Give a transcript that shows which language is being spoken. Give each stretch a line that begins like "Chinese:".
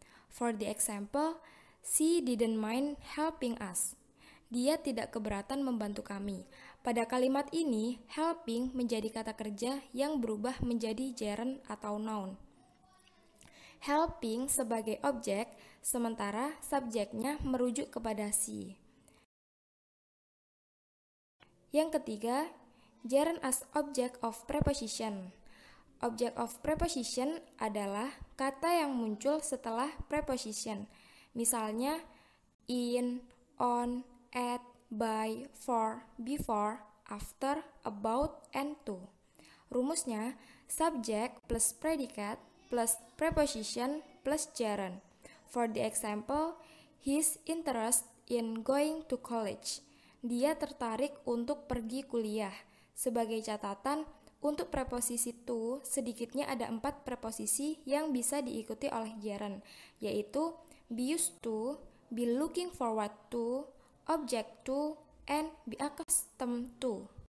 English: For the example, she didn't mind helping us.
Indonesian: Dia tidak keberatan membantu kami. Pada kalimat ini, helping menjadi kata kerja yang berubah menjadi gerund atau noun. Helping sebagai objek, sementara subjeknya merujuk kepada si. Yang ketiga,
English: gerund as object of preposition. Object of preposition
Indonesian: adalah kata yang muncul setelah preposition. Misalnya,
English: in, on, at, by, for, before, after, about, and to.
Indonesian: Rumusnya, subject plus predicate plus preposition plus gerund.
English: For the example, his interest in going to college.
Indonesian: Dia tertarik untuk pergi kuliah. Sebagai catatan, untuk preposisi to, sedikitnya ada 4 preposisi yang bisa diikuti oleh gerund, yaitu
English: be used to, be looking forward to, object to, and be accustomed to.